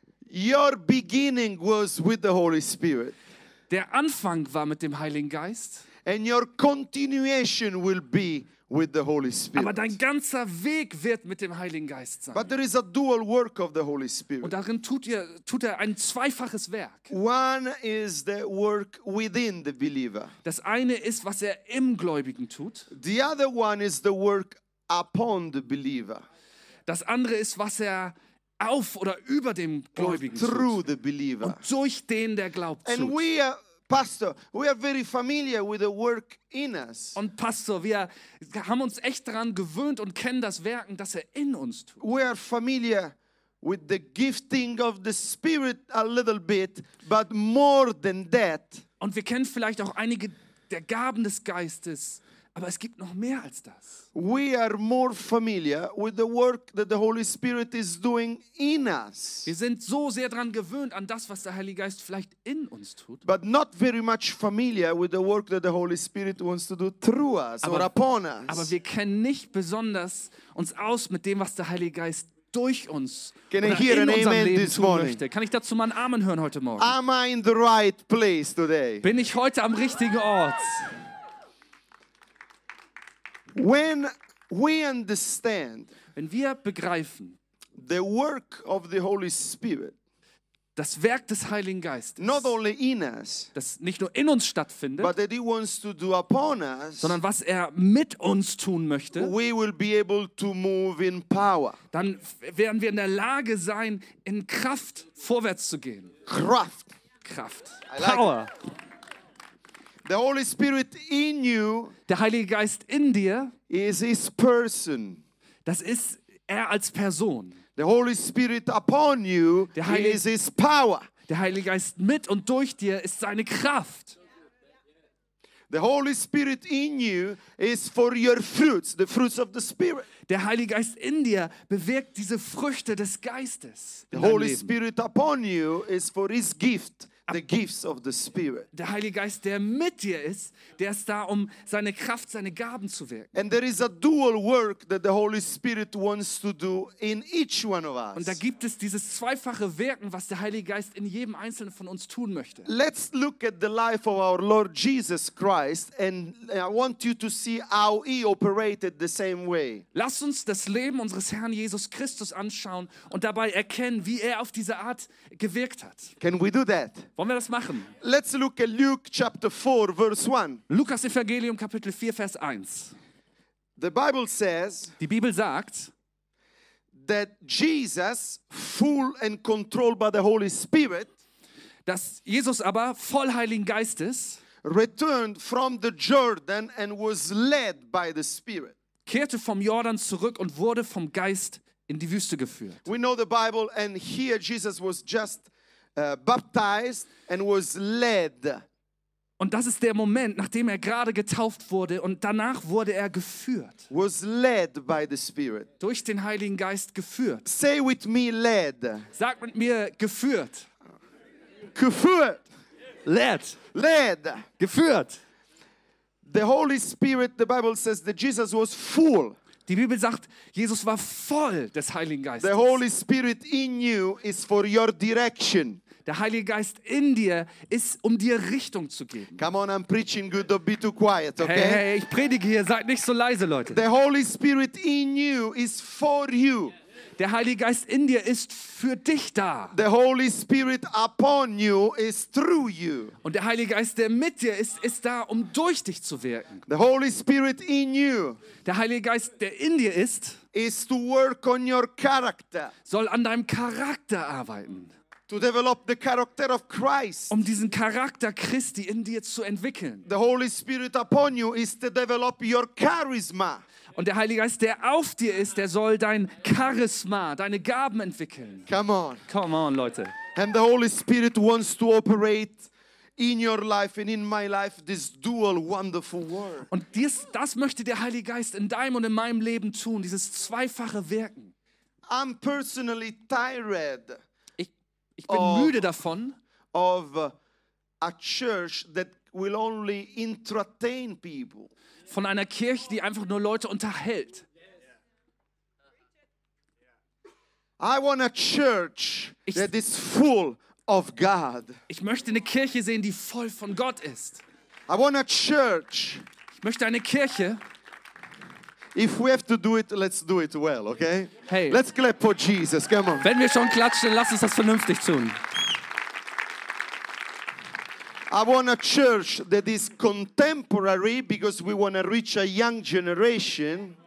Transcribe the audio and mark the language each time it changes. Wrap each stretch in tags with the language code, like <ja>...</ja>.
<en>Your beginning was with the Holy Spirit.</en> <de>Der Anfang war mit dem Heiligen Geist.</de> <en>And your continuation will be with the Holy Spirit.</en> <de>Aber dein ganzer Weg wird mit dem Heiligen Geist sein.</de> <en>But there is a dual work of the Holy Spirit.</en> <de>Und darin tut er ein zweifaches Werk.</de> <en>One is the work within the believer.</en> <de>Das eine ist, was er im Gläubigen tut.</de> <en>The other one is the work upon the believer.</en> <de>Das andere ist, was er auf oder über dem Gläubigen</de> <en>through the believer.</en> <de>Und durch den, der glaubt.</de> <en>And</en> <de>tut.</de> <en>We are, Pastor, we are very familiar with the work in us.</en> <de>Und Pastor, wir haben uns echt daran gewöhnt und kennen das Werken, das er in uns tut.</de> <en>We are familiar with the gifting of the Spirit a little bit, but more than that.</en> <de>Und wir kennen vielleicht auch einige der Gaben des Geistes. Aber es gibt noch mehr als das.</de> <en>We are more familiar with the work that the Holy Spirit is doing in us.</en> <de>Wir sind so sehr dran gewöhnt an das, was der Heilige Geist vielleicht in uns tut.</de> <en>But not very much familiar with the work that the Holy Spirit wants to do through us or upon us.</en> <de>Aber wir kennen nicht besonders uns aus mit dem, was der Heilige Geist durch uns</de> <en>can</en> <de>oder</de> <en>I hear</en> <de>in an unserem</de> <en>amen</en> <de>Leben</de> <en>this</en> <de>tun</de> <en>morning?</en> <de>Möchte. Kann ich dazu mal einen Amen hören heute Morgen?</de> <en>Am I in the right place today?</en> <de>Bin ich heute am richtigen Ort?</de> <en>When we understand</en> <de>wenn wir begreifen</de> <en>the work of the Holy Spirit,</en> <de>Das Werk des Heiligen Geistes,</de> <en>not only in us,</en> <de>das nicht nur in uns stattfindet,</de> <en>but that he wants to do upon us,</en> <de>sondern was er mit uns tun möchte,</de> <en>we will be able to move in power.</en> <de>Dann werden wir in der Lage sein, in Kraft vorwärts zu gehen. Kraft. Kraft.</de> <en>Power. The Holy Spirit in you,</en> <de>der Heilige Geist in dir,</de> <en>is his person.</en> <de>Das ist er als Person.</de> <en>The Holy Spirit upon you,</en> <de>der Heilige,</de> <en>is his power.</en> <de>Der Heilige Geist mit und durch dir ist seine Kraft.</de> <en>The Holy Spirit in you is for your fruits, the fruits of the Spirit.</en> <de>Der Heilige Geist in dir bewirkt diese Früchte des Geistes.</de> <en>The Holy Spirit upon you is for his gift, the gifts of the Spirit.</en> <de>Der Heilige Geist, der mit dir ist, der ist da, um seine Kraft, seine Gaben zu wirken.</de> <en>And there is a dual work that the Holy Spirit wants to do in each one of us.</en> <de>Und da gibt es dieses zweifache Wirken, was der Heilige Geist in jedem einzelnen von uns tun möchte.</de> <en>Let's look at the life of our Lord Jesus Christ, and I want you to see how he operated the same way.</en> <de>Lass uns das Leben unseres Herrn Jesus Christus anschauen und dabei erkennen, wie er auf diese Art gewirkt hat.</de> <en>Can we do that?</en> <de>Wollen wir das machen?</de> <en>Let's look at Luke chapter 4, verse 1.</en> <de>Lukas Evangelium Kapitel 4, Vers 1.</de> <en>The Bible says,</en> <de>die Bibel sagt,</de> <en>that Jesus, full and controlled by the Holy Spirit,</en> <de>dass Jesus aber voll Heiligen Geistes,</de> <en>returned from the Jordan and was led by the Spirit.</en> <de>Kehrte vom Jordan zurück und wurde vom Geist in die Wüste geführt.</de> <en>We know the Bible, and here Jesus was just baptized and was led.</en> <de>Und das ist der Moment, nachdem er gerade getauft wurde und danach wurde er geführt.</de> <en>Was led by the Spirit.</en> <de>Durch den Heiligen Geist geführt.</de> <en>Say with me, led.</en> <de>Sag mit mir, geführt. Geführt.</de> <en>Led. Led.</en> <de>Geführt.</de> <en>The Holy Spirit, the Bible says that Jesus was full.</en> <de>Die Bibel sagt, Jesus war voll des Heiligen Geistes.</de> <en>The Holy Spirit in you is for your direction.</en> <de>Der Heilige Geist in dir ist, um dir Richtung zu geben.</de> <en>Come on, I'm preaching good, don't be too quiet, okay?</en> <de>Hey, hey, ich predige hier, seid nicht so leise, Leute.</de> <en>The Holy Spirit in you is for you.</en> <de>Der Heilige Geist in dir ist für dich da.</de> <en>The Holy Spirit upon you is through you.</en> <de>Und der Heilige Geist, der mit dir ist, ist da, um durch dich zu wirken.</de> <en>The Holy Spirit in you.</en> <de>Der Heilige Geist, der in dir ist,</de> <en>is to work on your character.</en> <de>Soll an deinem Charakter arbeiten.</de> <en>To develop the character of Christ.</en> <de>Um diesen Charakter Christi in dir zu entwickeln.</de> <en>The Holy Spirit upon you is to develop your charisma.</en> <de>Und der Heilige Geist, der auf dir ist, der soll dein Charisma, deine Gaben entwickeln.</de> <en>Come on. Come on, Leute. And the Holy Spirit wants to operate in your life and in my life this dual wonderful work.</en> <de>Und dies, das möchte der Heilige Geist in deinem und in meinem Leben tun, dieses zweifache Wirken.</de> <en>I'm personally tired.</en> <de>Ich bin müde davon.</de> <en>Of a church that will only entertain people.</en> <de>Von einer Kirche, die einfach nur Leute unterhält.</de> <en>I want a church that is full of God.</en> <de>Ich möchte eine Kirche sehen, die voll von Gott ist.</de> <en>I want a church.</en> <de>Ich möchte eine Kirche.</de> <en>If we have to do it, let's do it well, okay? Hey. Let's clap for Jesus. Come on.</en> <de>Wenn wir schon klatschen, lass uns das vernünftig tun.</de> <en>I want a church that is contemporary because we want to reach a young generation.</en>